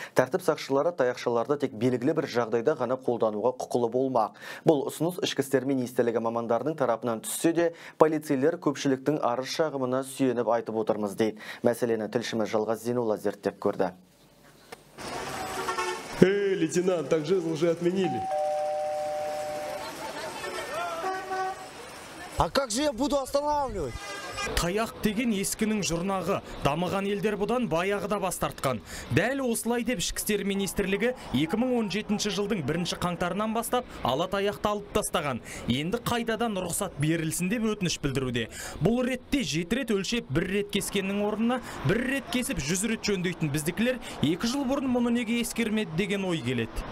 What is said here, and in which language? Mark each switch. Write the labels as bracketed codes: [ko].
[kk] Тәртіп сақшылары таяқшаларды тек белгілі бір жағдайда ғана қолдануға құқылы болмақ. Бұл ұсыныс ішкі істер министрлігі мамандарының тарапынан түссе де, полицейлер көпшіліктің арыз шағымына сүйеніп айтып отырмыз дейді. Мәселені тілшіміз Жалғас Зейнолла зерттеп көрді. [ru] Эй, лейтенант, так жезл уже отменили. А как же я буду останавливать? [kk] Таяқ деген ескінің жұрнағы, дамыған елдер бұдан баяғыда бас тартқан. Дәл осылай деп ішкі істер министрлігі 2017 жылдың 1 қаңтарынан бастап ала таяқты алып тастаған. Енді қайтадан рұқсат берілсін деп өтініш білдіруде. Бұл ретте 7 рет өлшеп 1 рет кескеннің орнына 1 рет кесіп 100 рет жөндейтін біздікілер 2 жыл бұрын мұны неге ескермеді деген ой келеді.